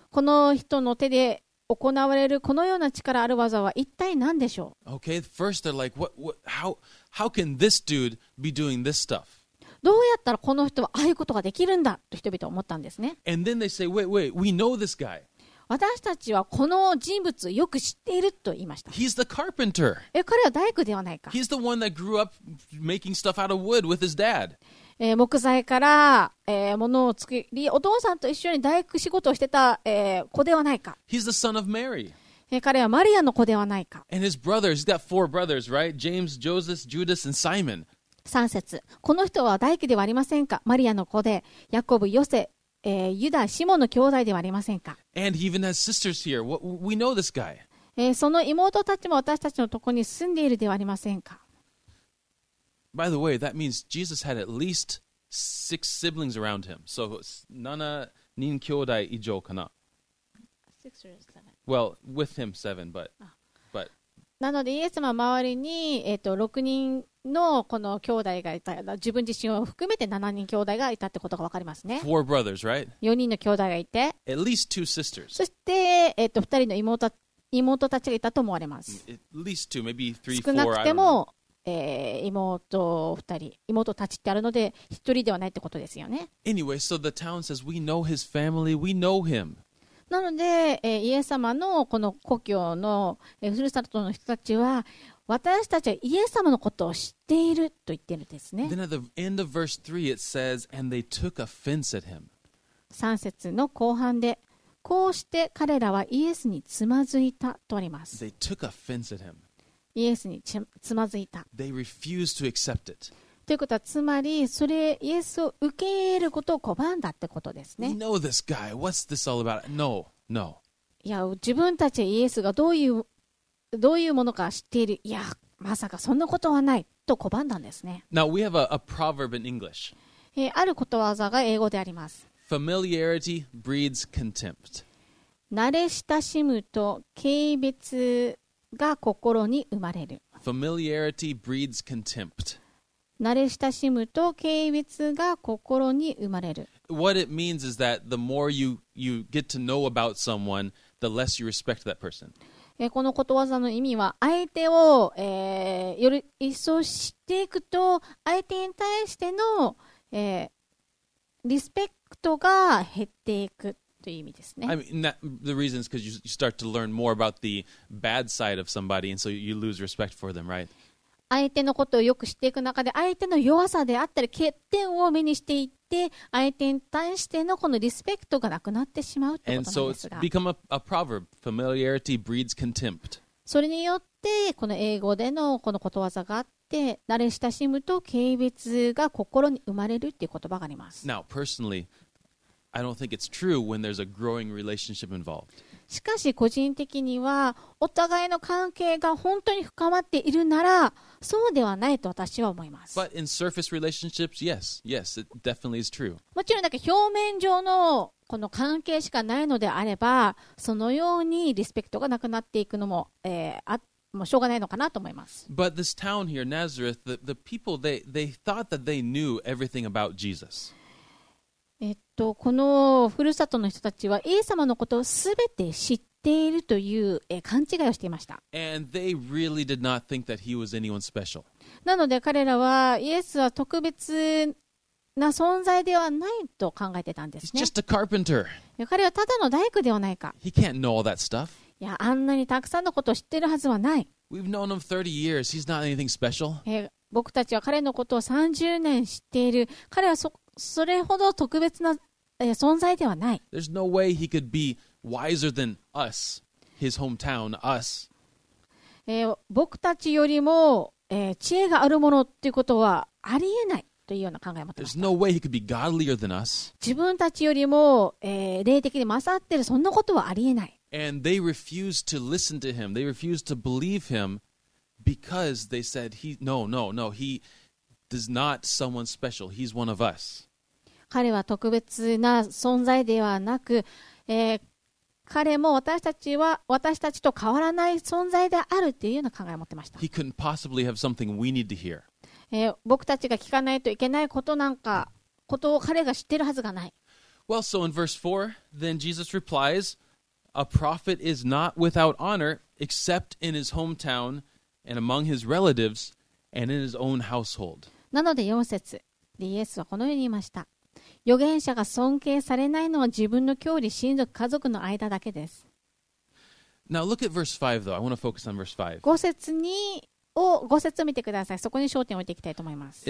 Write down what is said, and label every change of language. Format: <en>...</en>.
<ja>この人の手で行われるこのような力ある技は一体何でしょう?</ja> <en>Okay, first they're like, how can this dude be doing this stuff?</en> <ja>どうやったらこの人はああいうことができるんだと人々は思ったんですね。</ja> <en>And then they say, wait, we know this guy.</en> <ja>私たちはこの人物をよく知っていると言いました。</ja> <en>He's the carpenter.</en> <ja>彼は大工ではないか。</ja> <en>He's the one that grew up making stuff out of wood with his dad.</en> <ja>木材から、物を作り、お父さんと一緒に大工仕事をしてた、子ではないか。</ja> <en>He's the son of Mary.</en> <ja>彼はマリアの子ではないか。</ja> <en>And his brothers, he's got four brothers, right? James, Joseph, Judas, and Simon.</en> <ja>3節。この人は大工ではありませんか?マリアの子で、ヤコブ、ヨセ、ユダ、シモンの兄弟ではありませんか?</ja> <en>And he even has sisters here. We know this guy.</en> <ja>その妹たちも私たちのとこに住んでいるではありませんか?</ja> <en>By the way, that means Jesus had at least six siblings around him.</en> <ja>So, 7人兄弟以上かな?</ja> <en>Six or seven. Well, with him seven, but</en> <ja>なのでイエス様周りに6人のこの兄弟がいた、自分自身を含めて7人兄弟がいたってことがわかりますね。</ja> <en>Four brothers, right?</en> <ja>4人の兄弟がいて、</ja> <en>At least two sisters.</en> <ja>そして2人の妹たちがいたと思われます。</ja> <en>At least two, maybe three, four,</en> <ja>少なくても、妹2人、妹たちってあるので1人ではないってことですよね。</ja> <en>Anyway, so the town says, we know his family, we know him.</en> <ja>なので、イエス様のこの故郷の、ふるさとの人たちは私たちはイエス様のことを知っていると言っているんですね。</ja> <en>Then at the end of verse 3 it says, and they took offense at him.</en> <ja>3節の後半で、こうして彼らはイエスにつまずいたとあります。</ja> <en>They took offense at him.</en> <ja>イエスにつまずいた。</ja> <en>They refused to accept it.</en> <ja>ということは、つまりそれイエスを受け入れることを拒んだってことですね。</ja> <en>We know this guy. What's this all about? No, no.</en> <ja>いや、自分たちイエスがどういうものか知っている。いや、まさかそんなことはないと拒んだんですね。</ja> <en>Now we have a proverb in English.</en> <ja>あることわざが英語であります。</ja> <en>Familiarity breeds contempt.</en> <ja>慣れ親しむと軽蔑が心に生まれる。</ja> <en>Familiarity breeds contempt.</en> <ja>慣れ親しむと軽蔑が心に生まれる。</ja> <en>What it means is that the more you get to know about someone, the less you respect that person.</en> <ja>このことわざの意味は、相手を、より一層知っていくと、相手に対しての、リスペクト人が減っていくという意味ですね。</ja> <en>I mean, that, the reason is because you start to learn more about the bad side of somebody, and so you lose respect for them, right?</en> <ja>相手のことをよく知っていく中で、相手の弱さであったり欠点を目にしていって、相手に対してのこのリスペクトがなくなってしまうということなんですが。</ja> <en>And so it's become a proverb. Familiarity breeds contempt.</en> <ja>それによってこの英語でのこのことわざがあって、で慣れ親しむと軽蔑が心に生まれるっていう言葉があります。</ja> <en>Now, personally, I don't think it's true when there's a growing relationship involved.</en> <ja>しかし個人的にはお互いの関係が本当に深まっているならそうではないと私は思います。</ja> <en>But in surface relationships, yes, yes, it definitely is true.</en> <ja>もちろんだけ表面上のこの関係しかないのであれば、そのようにリスペクトがなくなっていくのも、あってもうしょうがないのかなと思います。</ja> <en>But this town here, Nazareth, the people, they thought that they knew everything about Jesus.</en> <ja>このふるさとの人たちは、イエス様のことをすべて知っているという勘違いをしていました。</ja> <en>And they really did not think that he was anyone special.</en> <ja>なので彼らは、イエスは特別な存在ではないと考えてたんですね。</ja> <en>He's just a carpenter.</en> <ja>彼はただの大工ではないか。</ja> <en>He can't know all that stuff.</en> <ja>いや、あんなにたくさんのことを知ってるはずはない。</ja> <en>We've known him 30 years. He's not anything special.</en> <ja>僕たちは彼のことを30年知っている。彼は それほど特別な存在ではない。</ja> <en>There's no way he could be wiser than us, his hometown, us.</en> <ja>僕たちよりも、知恵があるものっていうことはありえない。というような考えも。</ja> <en>There's no way he could be godlier than us.</en> <ja>自分たちよりも、霊的に勝っているそんなことはありえない。</ja> <en>And they refused to listen to him. They refused to believe him because they said he no no no he does not someone special. He's one of us.</en> <ja>彼は特別な存在ではなく、彼も私たちと変わらない存在であるっていうような考えを持ってました。</ja> <en>He couldn't possibly have something we need to hear.</en> <ja>僕たちが聞かないといけないことなんかことを彼が知ってるはずがない。</ja> <en>Well, so in verse 4, then Jesus replies, a prophet is not without honor except in his hometown and among his relatives and in his own household.</en> <ja>なので4節でイエスはこのように言いました。預言者が尊敬されないのは自分の郷里、親族、家族の間だけです。</ja> <en>Now look at verse 5 though. I want to focus on verse 5.</en> <ja>5節に5節を見てください。そこに焦点を置いていきたいと思います。</ja>